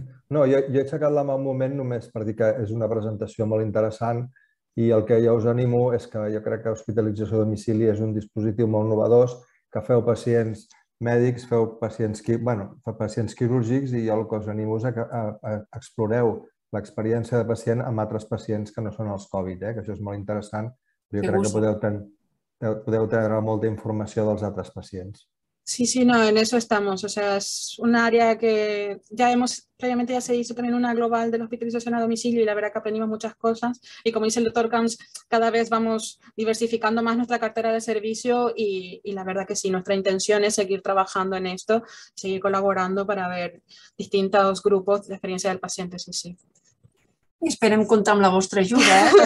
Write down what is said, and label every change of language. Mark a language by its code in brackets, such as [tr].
[ca] No, jo he aixecat la mà un moment només per dir que és una presentació molt interessant, i el que ja us animo és que jo crec que hospitalització a domicili és un dispositiu molt innovador, que feu pacients mèdics, feu pacients, bueno, pacients quirúrgics, i jo el que us animo és que exploreu l'experiència de pacient amb altres pacients que no són els Covid, que això és molt interessant. Jo crec que podeu treure molta informació dels altres pacients. [es] Sí, sí, no, en eso estamos. O sea, es un área que ya hemos, previamente ya se hizo también una global de la hospitalización a domicilio, y la verdad que aprendimos muchas cosas. Y como dice el doctor Camps, cada vez vamos diversificando más nuestra cartera de servicio, y la verdad que sí, nuestra intención es seguir trabajando en esto, seguir colaborando para ver distintos grupos de experiencia del paciente, sí, sí. [ca] Y esperem contar amb la vostra ajuda, ¿eh?